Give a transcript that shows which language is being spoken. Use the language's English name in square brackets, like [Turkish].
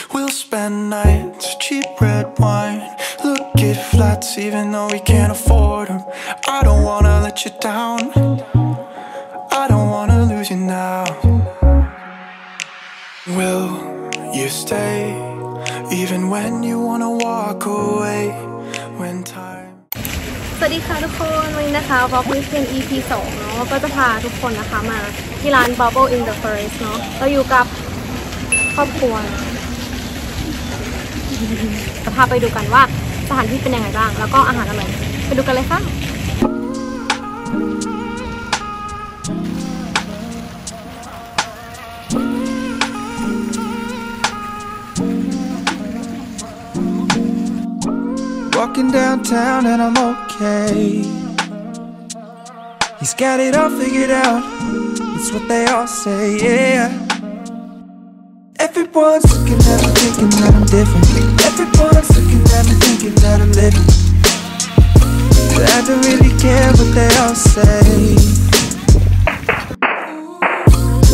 [English] We'll spend nights, cheap red wine, look at flats even though we can't afford them. I don't wanna let you down. I don't wanna lose you now. Will you stay even when you wanna walk away? When time. [Thai] สวัสดีค่ะทุกคนวันนี้นะคะบ็อกซ์เป็น EP 2เนาะก็จะพาทุกคนนะคะมาที่ร้าน Bubble in the Forest เนาะเราอยู่กับครอบครัว จะพาไปดูกันว่าสถานที่เป็นยังไงบ้างแล้วก็อาหารอะไรไปดูกันเลยค่ะ [English] Walking downtown and I'm okay. He's got it all figured out. That's what they all say, yeah. Everyone's looking at me thinking that I'm different. Everyone's looking at me thinking that I'm living. But I don't really care what they all say.